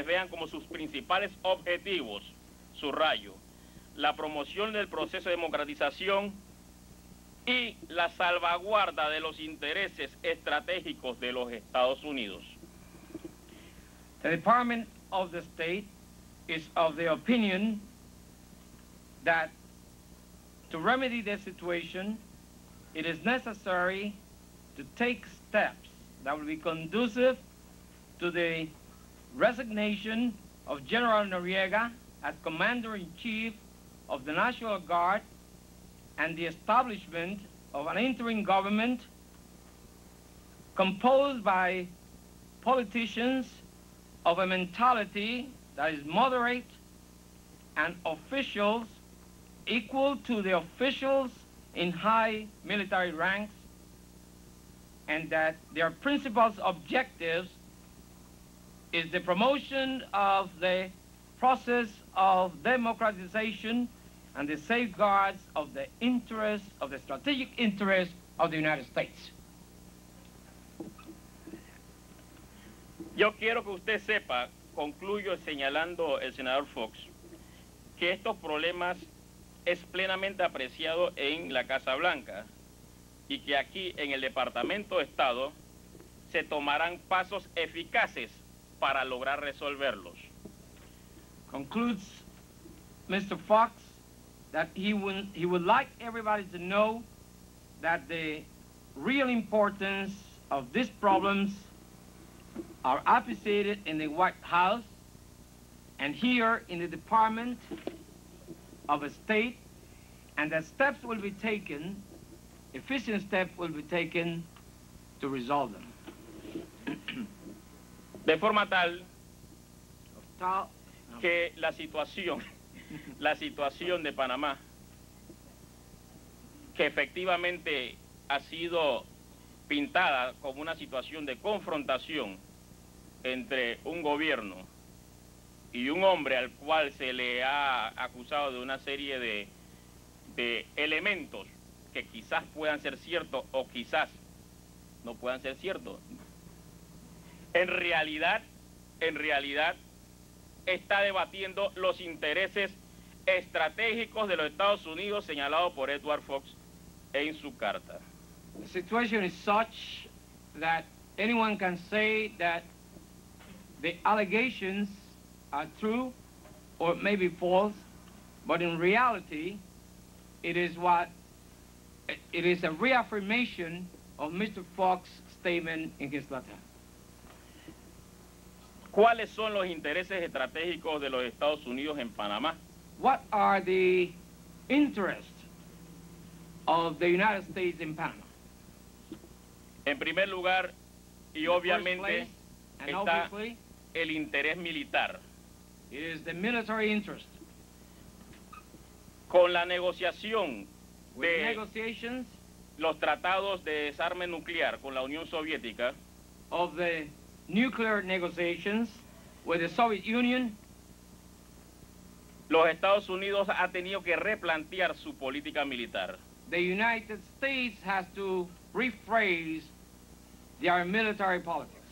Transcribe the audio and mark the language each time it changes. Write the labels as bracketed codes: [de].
[es] como sus principales objetivos, subrayo, la promoción del proceso de democratización y la salvaguarda de los intereses estratégicos de los Estados Unidos. [en] The Department of the State is of the opinion that to remedy the situation, it is necessary to take steps that will be conducive to the resignation of General Noriega as Commander-in-Chief of the National Guard and the establishment of an interim government composed by politicians of a mentality that is moderate and officials equal to the officials in high military ranks and that their principal objectives is the promotion of the process of democratization and the safeguards of the interests, of the strategic interests of the United States. [es] Yo quiero que usted sepa, concluyo señalando el senador Fox, que estos problemas es plenamente apreciado en la Casa Blanca y que aquí en el Departamento de Estado se tomarán pasos eficaces para lograr resolverlos. [en] Concludes Mr. Fox that he would like everybody to know that the real importance of these problems are appreciated in the White House and here in the Department of State and that steps will be taken, efficient steps will be taken to resolve them. [es] De forma tal que la situación de Panamá, que efectivamente ha sido pintada como una situación de confrontación entre un gobierno y un hombre al cual se le ha acusado de una serie de elementos que quizás puedan ser ciertos o quizás no puedan ser ciertos. En realidad, está debatiendo los intereses estratégicos de los Estados Unidos señalado por Edward Fox en su carta. [en] The situation is such that anyone can say that the allegations are true or maybe false, but in reality, it is a reaffirmation of Mr. Fox's statement in his letter. [es] ¿Cuáles son los intereses estratégicos de los Estados Unidos en Panamá? [en] What are the interests of the United States in Panama? [es] En primer lugar, y [en] in [es] obviamente, [en] place, [es] está el interés militar. [en] It is the military interest. [es] Con la negociación [en] with [es] de [en] negotiations, [es] los tratados de desarme nuclear con la Unión Soviética, [en] of the nuclear negotiations with the Soviet Union, [es] los Estados Unidos ha tenido que replantear su política militar. [en] The United States has to rephrase their military politics.